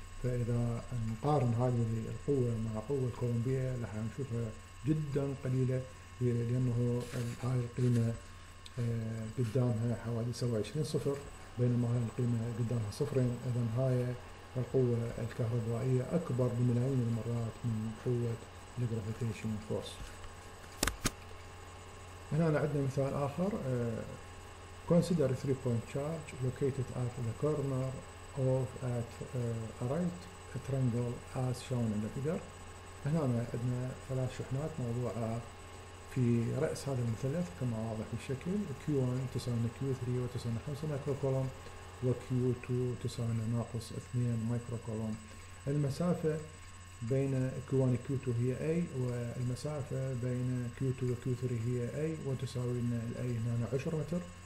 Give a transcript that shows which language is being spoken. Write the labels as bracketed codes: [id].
[ar] فإذا نقارن هذه القوة مع قوة كولومبيا راح نشوفها جدا قليلة، لأنه هاي القيمة قدامها حوالي 27 صفر، بينما هاي القيمة قدامها 0. إذا هاي القوة الكهربائية أكبر بملايين المرات من قوة الجرافيتيشن فورس. هنا عندنا مثال آخر. [en] Consider a 3-point charge located at the corner of at a right triangle as shown in the figure. [ar] هنا عندنا 3 شحنات موضوعة في رأس هذا المثلث كما واضح بالشكل، Q1 تساوي Q3 وتساوي 5 مايكرو كولوم، وQ2 تساوي -2 مايكرو كولوم. المسافة بين Q1 و Q2 هي A، والمسافة بين Q2 و Q3 هي A، وتساوي لنا A هنا 10 متر.